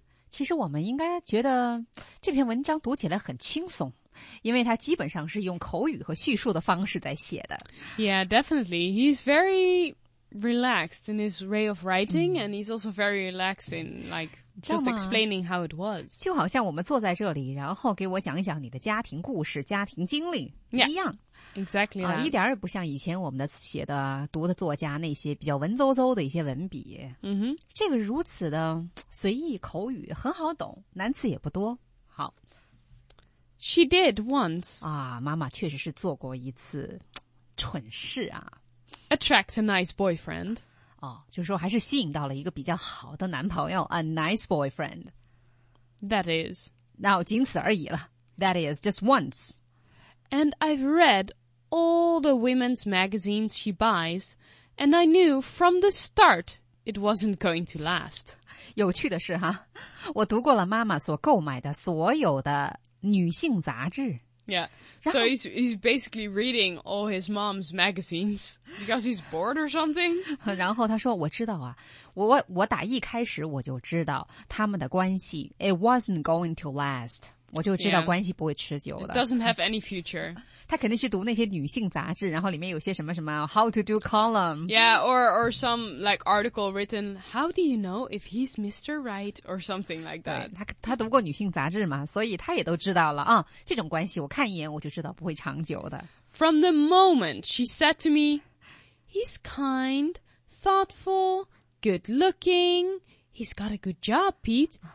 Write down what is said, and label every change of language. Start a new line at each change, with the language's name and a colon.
Chinese: 其实我们应该觉得这篇文章读起来很轻松，因为它基本上是用口语和叙述的方式在写的。
English: Yeah, definitely. He's very relaxed in his way of writing,and he's also very relaxed in, like, just explaining how it was.
Chinese: 就好像我们坐在这里，然后给我讲一讲你的家庭故事、家庭经历一样。
English: Yeah. Exactly.
Chinese: 一点也不像以前我们的写的读的作家那些比较文绉绉的一些文笔。这个如此的随意口语很好懂，难词也不多。好。
English: She did once.
Chinese: 啊，妈妈确实是做过一次蠢事啊。
English: Attract a nice boyfriend.
Chinese: 哦，就是说还是吸引到了一个比较好的男朋友 ,
English: a nice boyfriend. That is.
Chinese: 那仅此而已了。
English: That is, just once. And I've read all the women's magazines she buys, and I knew from the start it wasn't going to last.
Chinese: 有趣的是哈，我读过了妈妈所购买的所有的女性杂志。
English: Yeah, so he's basically reading all his mom's magazines because he's bored or something.
Chinese: 然后他说，我知道啊，我打一开始我就知道他们的关系
English: it wasn't going to last.
Chinese: 我就知道关系不会持久的。
English: Yeah, doesn't have any future.
Chinese: 他肯定是读那些女性杂志，然后里面有些什么什么
English: how to do column. Yeah, or some like article written, how do you know if he's Mr. Right or something like that.
Chinese: 他读过女性杂志嘛，所以他也都知道了啊，这种关系我看一眼我就知道不会长久的。
English: From the moment she said to me, he's kind, thoughtful, good looking, he's got a good job, Pete.